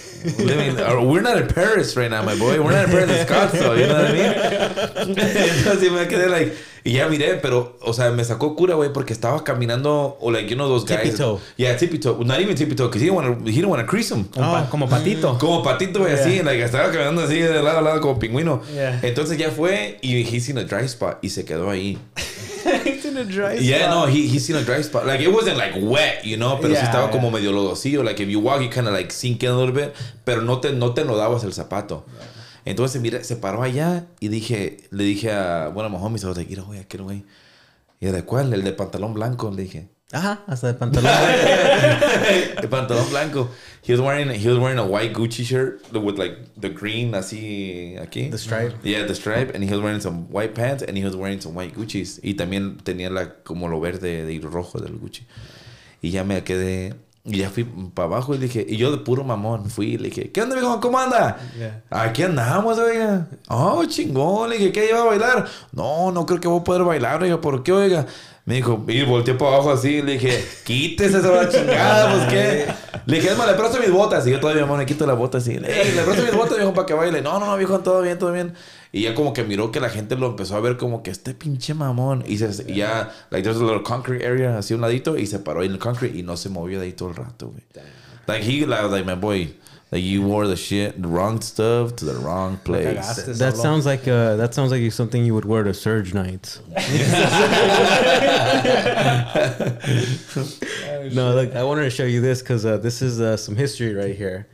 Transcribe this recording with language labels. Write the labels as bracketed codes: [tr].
[en] I mean, we're not in Paris right now, my boy. We're not in Paris, in Scottsdale. You know what I mean? [es] Entonces me quedé like, ya miré, pero, o sea, me sacó cura, güey, porque estaba caminando, o like, [en] you know, those guys. Tippy-toe. Yeah, tippy-toe. Not even tippy-toe, because he didn't want to crease him. [es] Oh, como patito. Como patito, güey, así. Yeah. Like, estaba caminando así, de lado a lado, como pingüino. [en] Yeah. [es] Entonces ya fue, y [en] he seen a dry spot, [es] y se quedó ahí. [en] He's in a dry spot. Yeah, no, he seen a dry spot. Like, it wasn't, like, wet, you know? [es] Pero yeah, sí estaba yeah. como medio lodocillo. [en] Like, if you walk, you kind of, like, sink in a little bit. [es] Pero no te enlodabas el zapato. Yeah. Entonces, mira, se paró allá y le dije a [en] one of my homies, I was like, [es] mira, güey, aquel güey. ¿Y de cuál? El de pantalón blanco, le dije. Ajá, hasta de pantalón blanco. De pantalón blanco. [en] He was wearing a white Gucci shirt with, like, the green, [es] así, aquí. [en] The stripe. Yeah, the stripe. And he was wearing some white pants and he was wearing some white Gucci's. [es] Y también tenía la, como lo verde y rojo del Gucci. Y ya me quedé, y ya fui para abajo y dije, y yo de puro mamón fui y le dije, ¿qué onda, viejo? ¿Cómo anda? [en] Yeah. [es] Aquí andamos, oiga. Oh, chingón. Le dije, ¿qué, iba a bailar? No creo que voy a poder bailar, oiga. ¿Por qué, oiga? Me dijo, y volteé para abajo así, le dije, quítese esa chingada, pues qué. Le dije, le presto mis botas. Y yo todavía, mamá, le quito la bota así. Le presto mis botas, viejo, para que baile. No, viejo, todo bien. Y ya como que miró que la gente lo empezó a ver como que este pinche mamón. Y se, yeah. ya, [en] like, there's a little concrete area, [es] así un ladito, y se paró ahí en el concrete y no se movió de ahí todo el rato, güey. [en] Damn. Like, my boy, like, you wore the shit, the wrong stuff to the wrong place. Like, that sounds like something you would wear to Surge Nights. No, look, I wanted to show you this because this is some history right here.